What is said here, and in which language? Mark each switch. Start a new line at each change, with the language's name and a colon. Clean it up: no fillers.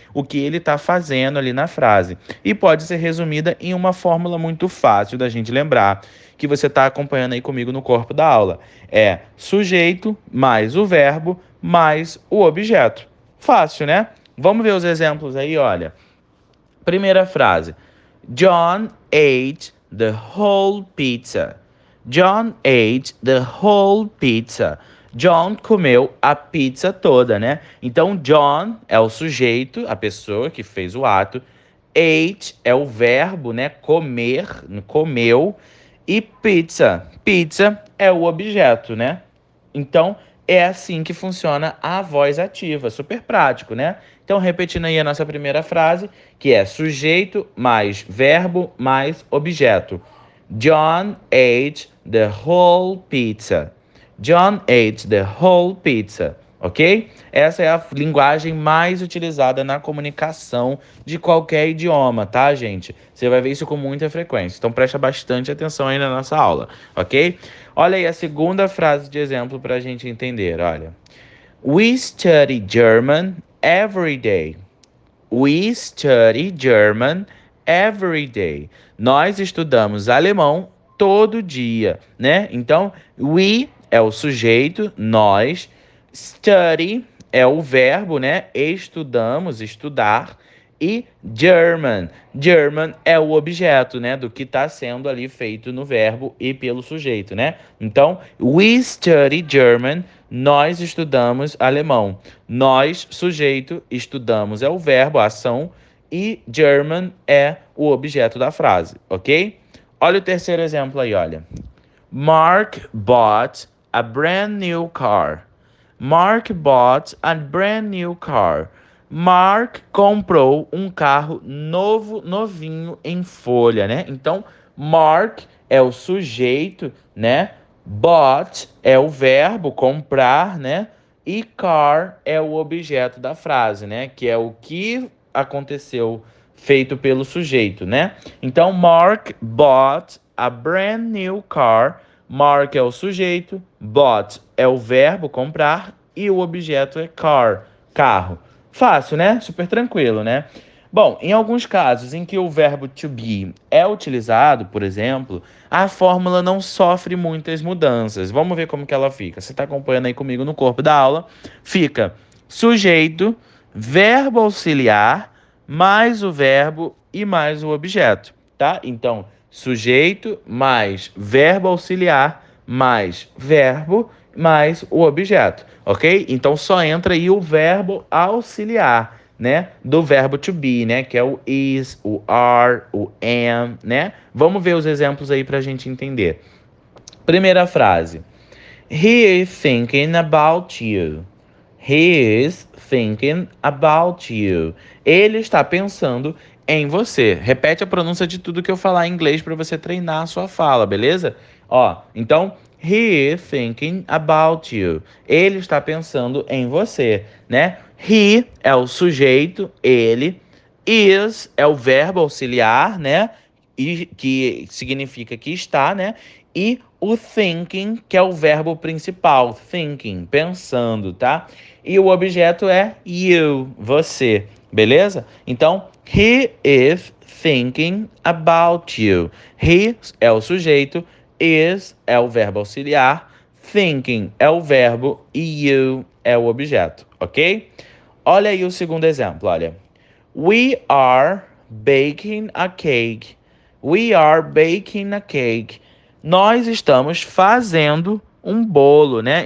Portuguese: O que ele está fazendo ali na frase. E pode ser resumida em uma fórmula muito fácil da gente lembrar, que você está acompanhando aí comigo no corpo da aula. É sujeito mais o verbo mais o objeto. Fácil, né? Vamos ver os exemplos aí, olha. Primeira frase.
English: John ate the whole pizza. John ate the whole pizza.
Portuguese: John comeu a pizza toda, né? Então, John é o sujeito, a pessoa que fez o ato. Ate é o verbo, né? Comer, comeu. E pizza. Pizza é o objeto, né? Então, é assim que funciona a voz ativa. Super prático, né? Então, repetindo aí a nossa primeira frase, que é sujeito mais verbo mais objeto.
English: John ate the whole pizza. John ate the whole pizza.
Portuguese: Ok? Essa é a linguagem mais utilizada na comunicação de qualquer idioma, tá, gente? Você vai ver isso com muita frequência. Então, presta bastante atenção aí na nossa aula, ok? Olha aí a segunda frase de exemplo para a gente entender. Olha.
English: We study German every day. We study German every day.
Portuguese: Nós estudamos alemão todo dia, né? Então, we é o sujeito, nós. Study é o verbo, né? Estudamos, estudar. E German. German é o objeto, né? Do que está sendo ali feito no verbo e pelo sujeito, né? Então,
English: we study German.
Portuguese: Nós estudamos alemão. Nós, sujeito, estudamos é o verbo, a ação. E German é o objeto da frase, ok? Olha o terceiro exemplo aí, olha.
English: Mark bought a brand new car. Mark bought a brand new car.
Portuguese: Mark comprou um carro novo, novinho em folha, né? Então, Mark é o sujeito, né? Bought é o verbo comprar, né? E car é o objeto da frase, né? Que é o que aconteceu feito pelo sujeito, né? Então,
English: Mark bought a brand new car.
Portuguese: Mark é o sujeito, bought é o verbo comprar. E o objeto é car, carro. Fácil, né? Super tranquilo, né? Bom, em alguns casos em que o verbo to be é utilizado, por exemplo, a fórmula não sofre muitas mudanças. Vamos ver como que ela fica. Você está acompanhando aí comigo no corpo da aula? Fica sujeito, verbo auxiliar, mais o verbo e mais o objeto, tá? Então, sujeito mais verbo auxiliar mais verbo mais o objeto, ok? Então só entra aí o verbo auxiliar, né? Do verbo to be, né? Que é o is, o are, o am, né? Vamos ver os exemplos aí para a gente entender. Primeira frase:
English: He is thinking about you. He is thinking about you.
Portuguese: Ele está pensando em você. Repete a pronúncia de tudo que eu falar em inglês para você treinar a sua fala, beleza? Ó, então.
English: He is thinking about you.
Portuguese: Ele está pensando em você, né? He é o sujeito, ele. Is é o verbo auxiliar, né? E que significa que está, né? E o thinking, que é o verbo principal, thinking, pensando, tá? E o objeto é you, você, beleza? Então,
English: he is thinking about you.
Portuguese: He é o sujeito. Is é o verbo auxiliar, thinking é o verbo e you é o objeto, ok? Olha aí o segundo exemplo, olha.
English: We are baking a cake. We are baking a cake.
Portuguese: Nós estamos fazendo um bolo, né?